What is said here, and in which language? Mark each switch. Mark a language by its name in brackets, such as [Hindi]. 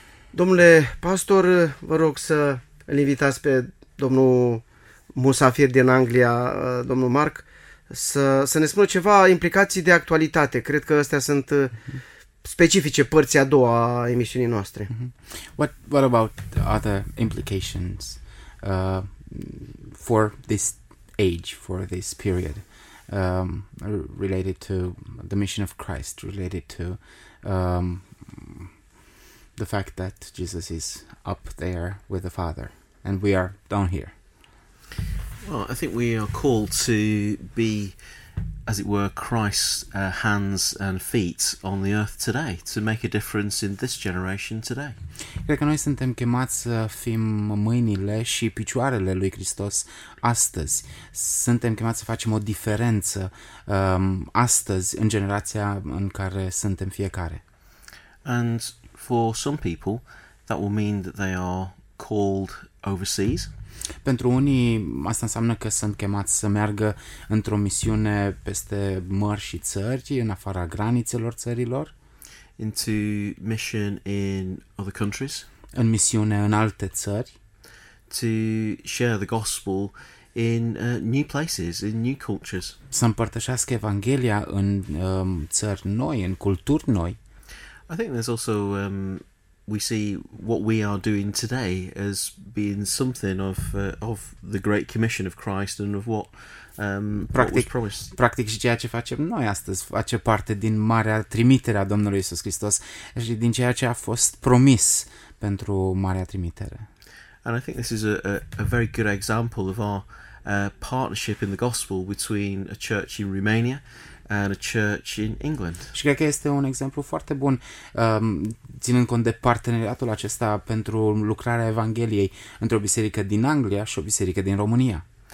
[Romanian] Domnule pastor, vă rog să îl invitați pe domnul musafir din Anglia, domnul Marc, să ne spună ceva implicații de actualitate. Cred că astea sunt specifice părții a doua a emisiunii noastre. [English] What about other implications for this age, for this period, related to the mission of Christ, related to the fact that Jesus is up there with the Father and we are down here? Well, I think we are called to be, as it were, Christ's hands and feet on the earth today, to make a difference in this generation today. [Romanian] Cred că noi suntem chemați să fim mâinile și picioarele lui Hristos astăzi. Suntem chemați să facem o diferență astăzi în generația în care suntem fiecare. [English] And for some people, that will mean that they are called overseas. [Romanian] Pentru unii, asta înseamnă că sunt chemați să meargă într-o misiune peste mări și țări, în afara granițelor țărilor. [English] Into mission in other countries. [Romanian] În misiune în alte țări. [English] To share the gospel in new places, in new cultures. [Romanian] Să împărtășească Evanghelia în țări noi, în culturi noi. [English] I think there's also we see what we are doing today as being something of the great commission of Christ and of what [Romanian] practic, [English] what was promised. [Romanian] Practic și ceea ce facem noi astăzi face parte din marea trimitere a Domnului Iisus Hristos și din ceea ce a fost promis pentru marea trimitere. [English] And I think this is a very good example of our partnership in the gospel between a church in Romania and a church in England. [Romanian] Și cred că este un exemplu foarte bun, ținând cont de parteneriatul acesta pentru lucrarea Evangheliei într-o biserică din Anglia și o biserică din România.